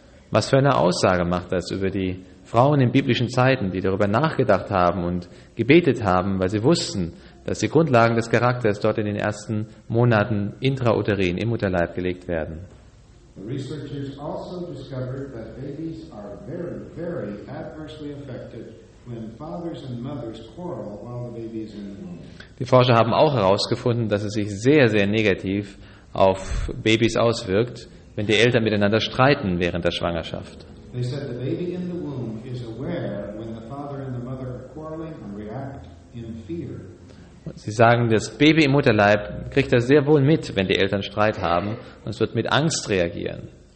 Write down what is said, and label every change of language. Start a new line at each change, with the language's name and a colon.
German: Was für eine Aussage macht das über die Frauen in biblischen Zeiten, die darüber nachgedacht haben und gebetet haben, weil sie wussten, dass die Grundlagen des Charakters dort in den ersten Monaten intrauterin, im Mutterleib gelegt werden.
English: The researchers also discovered that babies are very, very adversely affected when fathers and mothers quarrel while the baby is in the womb.
German: Die Forscher haben auch herausgefunden, dass es sich sehr, sehr negativ auf Babys auswirkt, wenn die Eltern miteinander streiten während der Schwangerschaft.
English: They said the baby in the womb is aware when the father and the mother are quarreling and react in fear.
German: Sie sagen, das Baby im Mutterleib kriegt das sehr wohl mit, wenn die Eltern Streit haben, und es wird mit Angst reagieren.